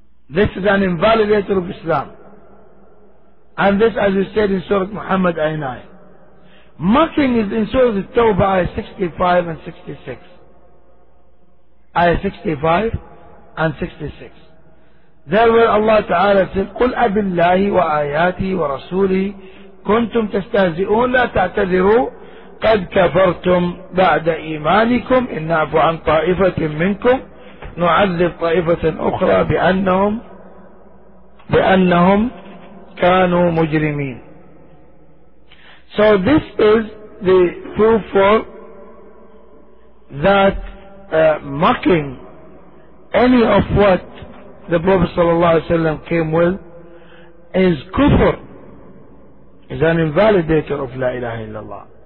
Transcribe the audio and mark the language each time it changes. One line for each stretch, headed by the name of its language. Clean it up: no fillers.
English: This is an invalidator of Islam. And this, as we said in Surah Muhammad, ayah 9. Mocking is in Surah Tawbah, ayah 65 and 66. Ayah 65 and 66. There where Allah Ta'ala said,
Arabic: قُلْ أَبِ اللَّهِ وَآيَاتِهِ وَرَسُولِهِ كُنْتُمْ تَسْتَهْزِئُونَ لَا تَعْتَذِرُوا قد كفرتم بعد إيمانكم إن نعفو عن طائفة منكم نعذب طائفة أخرى بأنهم كانوا مجرمين.
English: So this is the proof for that mocking any of what the Prophet sallallahu alaihi wasallam came with is kufr, is an invalidator of la ilaha illallah.